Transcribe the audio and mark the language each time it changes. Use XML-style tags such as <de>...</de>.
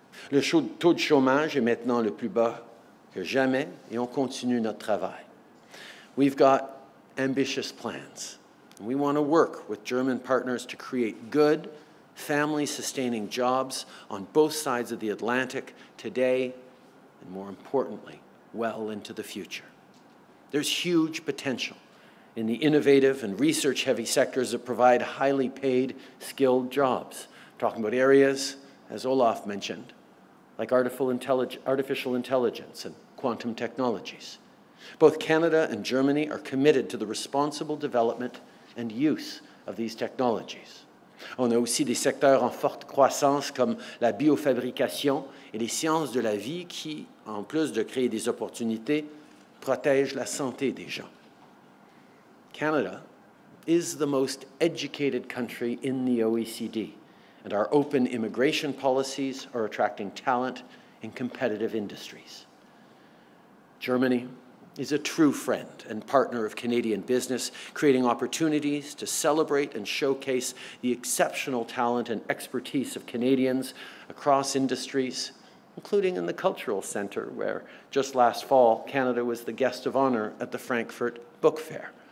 <fr>Le taux de chômage est maintenant le plus bas que jamais et on continue notre travail.</fr> <en>We've got ambitious plans. We want to work with German partners to create good, family-sustaining jobs on both sides of the Atlantic today and, more importantly, well into the future. There's huge potential in the innovative and research-heavy sectors that provide highly paid, skilled jobs. Talking about areas, as Olaf mentioned, like artificial intelligence and quantum technologies. Both Canada and Germany are committed to the responsible development and use of these technologies.</en> <fr>On a aussi des secteurs en forte croissance comme la biofabrication et les sciences de la vie qui, en plus de créer des opportunités, protègent la santé des gens.</fr> <en>Canada is the most educated country in the OECD, and our open immigration policies are attracting talent in competitive industries. Germany is a true friend and partner of Canadian business, creating opportunities to celebrate and showcase the exceptional talent and expertise of Canadians across industries, including in the cultural center, where just last fall, Canada was the guest of honor at the Frankfurt Book Fair.</en>